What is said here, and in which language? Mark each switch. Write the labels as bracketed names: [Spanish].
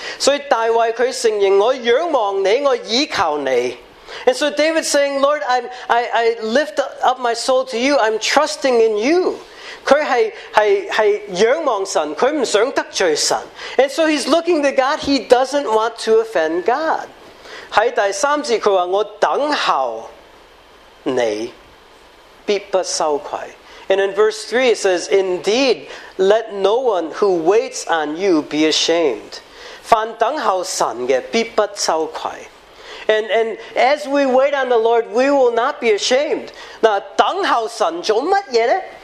[Chinese] 所以大卫他承认我仰望你，我倚靠你。 [English] And so David's saying, Lord, I lift up my soul to you. I'm trusting in you. [Chinese] 他是仰望神，他不想得罪神。 [English] And so he's looking to God. He doesn't want to offend God. [Chinese] 在第三节他说，我等候你必不羞愧。 [English] And in verse 3 it says, indeed, let no one who waits on you be ashamed. [Chinese] 凡等候神的必不羞愧。 [English] And as we wait on the Lord, we will not be ashamed. [Chinese] 那等候神做什么呢？